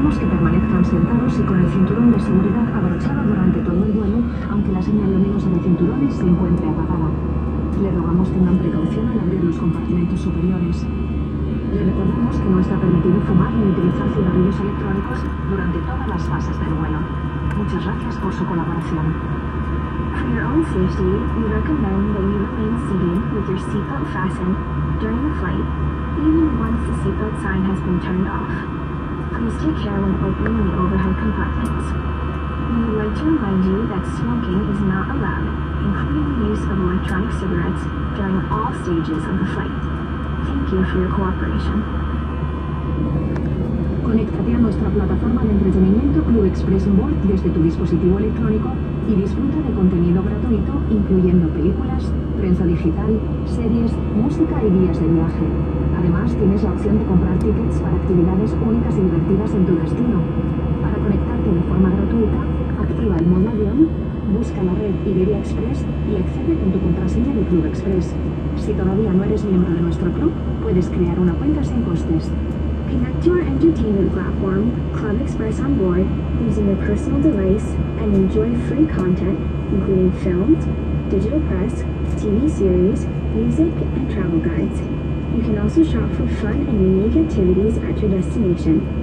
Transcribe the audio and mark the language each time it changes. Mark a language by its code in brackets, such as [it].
[es] permanezcan sentados y con el cinturón de seguridad abrochado durante todo el vuelo, aunque la señal de menos en el cinturón se encuentre apagada. Le rogamos que tengan precaución al abrir los compartimentos superiores. Le recordamos que no está permitido fumar ni utilizar cigarrillos electrónicos durante todas las fases del vuelo. Muchas gracias por su colaboración. [en] For your own safety, we recommend that you remain seated with your seatbelt fastened during the flight, even once the seatbelt sign has been turned off. Please take care when opening the overhead compartments. We would like to remind you that smoking is not allowed, including the use of electronic cigarettes during all stages of the flight. Thank you for your cooperation. [es] Conéctate a nuestra plataforma de entretenimiento Club Express On Board desde tu dispositivo electrónico y disfruta de contenido gratuito, incluyendo películas, prensa digital, series, música y guías de viaje. Además, tienes la opción de comprar tickets para actividades únicas y divertidas en tu destino. Para conectarte de forma gratuita, activa el modo avión, busca la red Iberia Express y accede con tu contraseña de Club Express. Si todavía no eres miembro de nuestro club, puedes crear una cuenta sin costes. [en] Connect to our entertainment platform, Club Express On Board, using your personal device and enjoy free content, including films, digital press, TV series, music, and travel guides. You can also shop for fun and unique activities at your destination.